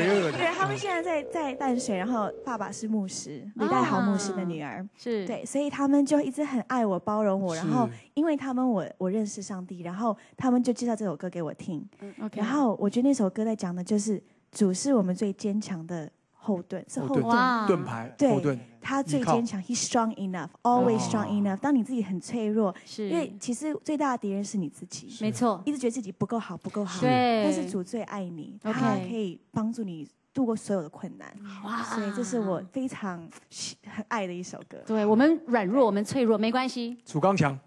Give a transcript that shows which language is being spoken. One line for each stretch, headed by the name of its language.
Chinese: 对，他们现在在淡水，然后爸爸是牧师，李代豪牧师的女儿，是、uh-huh. 对，所以他们就一直很爱我，包容我，然后因为他们我认识上帝，然后他们就介绍这首歌给我听，嗯 ，OK，然后我觉得那首歌在讲的就是主是我们最坚强的后盾，是后盾，盾牌，对，后盾。他最坚强
English: ，He's strong enough, always strong enough。
Chinese: 当你自己很脆弱，是，因为其实最大的敌人是你自己，没错，一直觉得自己不够好，不够好，对。但是主最爱你，他可以帮助你度过所有的困难，哇！所以这是我非常很爱的一首歌。对我们软弱，我们脆弱，没关系，主刚强，